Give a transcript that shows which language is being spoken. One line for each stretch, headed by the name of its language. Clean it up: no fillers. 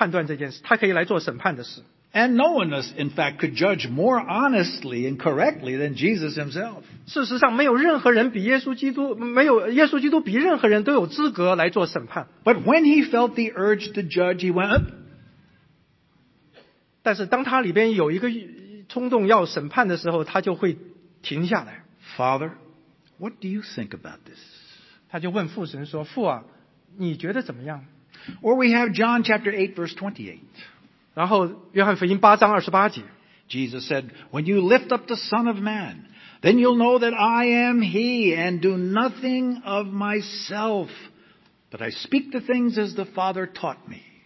Chinese: 我知道每一位人，包括我们的主耶稣基督作为人，他也可以来判断这件事，他可以来做审判的事。
English: And no one, in fact, could judge more honestly and correctly than Jesus himself.
Chinese: 事实上，没有任何人比耶稣基督，没有耶稣基督比任何人都有资格来做审判。
English: But when he felt the urge to judge, he went.
Chinese: 但是当他里边有一个冲动要审判的时候，他就会停下来。
English: Father, what do you think about this?
Chinese: 他就问父神说：“父啊，你觉得怎么样？”
English: Or we have John chapter 8, verse 28.
Chinese: 然后约翰福音8章28节。
English: Jesus said, "When you lift up the Son of Man, then you'll know that I am He, and do nothing of myself, but I speak the things as the Father taught me."